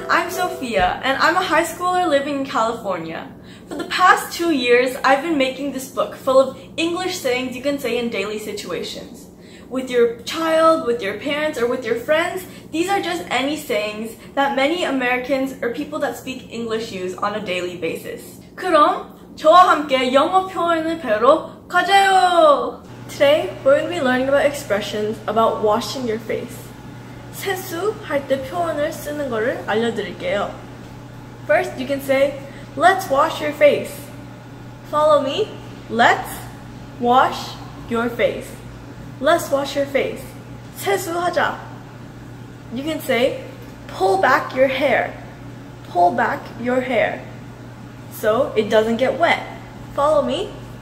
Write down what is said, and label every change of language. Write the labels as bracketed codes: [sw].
[en] Sophia, and I'm a high schooler living in California. For the past 2 years, I've been making this book full of English sayings you can say in daily situations. With your child, with your parents, or with your friends, these are just any sayings that many Americans or people that speak English use on a daily basis. [ko] 그럼 저와 함께 영어 표현을 배우러 가자요! [en] Today, we're going to be learning about expressions about washing your face. [ko] 세수할 때 표현을 쓰는 거를 알려드릴게요. [en] First, you can say, let's wash your face. Follow me. Let's wash your face. Let's wash your face. [ko] 세수하자. [en] You can say, pull back your hair. Pull back your hair. So it doesn't get wet. Follow me.